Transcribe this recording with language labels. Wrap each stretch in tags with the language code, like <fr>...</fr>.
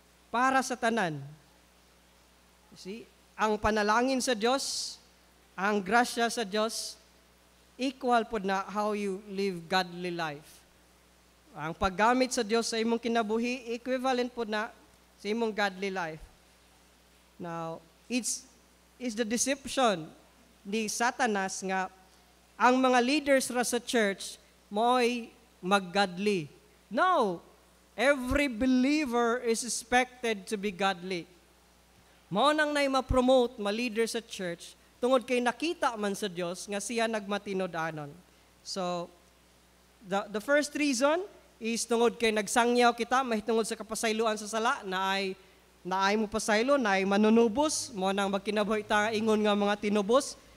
<ceb>Para sa tanan.</ceb> <en>See?</en> <ceb>Ang panalangin sa Diyos, ang grasya sa Diyos, equal po na</ceb> <en>how you live godly life.</en> <ceb>Ang paggamit sa Diyos sa imong kinabuhi, equivalent po na sa imong godly life.</ceb> <en>Now, it's the deception</en> <ceb>ni Satanas nga ang mga leaders ra sa church mo'y mag-godly.</ceb> <en>No, every believer is expected to be godly.</en> <ceb>Mo nang nay ma-promote ma-leader sa church tungod kay nakita man sa Dios nga siya nagmatinud-anon.</ceb> <en>So, the first reason is</en> <ceb>tungod kay nagsangyaw kita mahitungod sa kapasayloan sa sala na ay naay mo pasaylo, naay manunubos, mo nang magkinabuhi ta ingon nga mga tinubos.</ceb>